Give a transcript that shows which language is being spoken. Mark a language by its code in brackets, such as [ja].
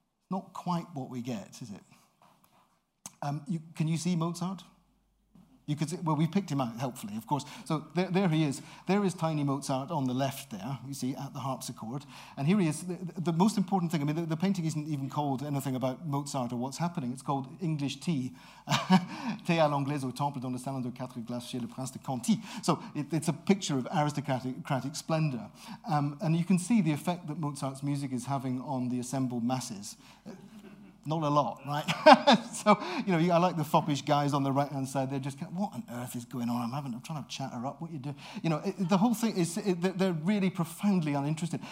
[en] Not quite what we get, is it? Can you see Mozart? You could see, well, we've picked him out, helpfully, of course. So there he is. There is tiny Mozart on the left there, you see, at the harpsichord. And here he is. The most important thing, I mean, the painting isn't even called anything about Mozart or what's happening. It's called English Tea. [fr] Thé à l'anglaise au temple dans le salon de quatre glaces chez le prince de Conti. [en] So it's a picture of aristocratic splendor. And you can see the effect that Mozart's music is having on the assembled masses. Not a lot, right? So, you know, I like the foppish guys on the right-hand side. They're just kind of, what on earth is going on? I'm trying to chatter up what you do. You know, the whole thing is, they're really profoundly uninterested.